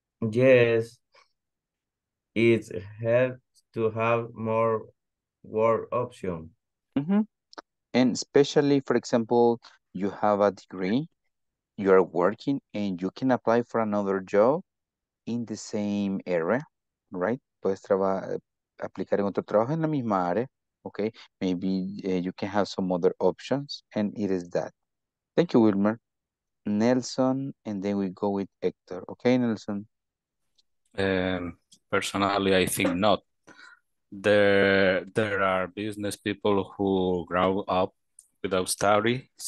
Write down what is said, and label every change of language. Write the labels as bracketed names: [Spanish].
[English] Yes, it helps to have more work options. Mm-hmm. And especially, for example, you have a degree, you are working, and you can apply for another job in the same area, right? [Spanish] Puedes aplicar en otro trabajo en la misma área, okay? [English] Maybe you can have some other options, and it is that. Thank you, Wilmer. Nelson, and then we go with Hector. Okay, Nelson? Personally, I think not. There are business people who grow up without studies.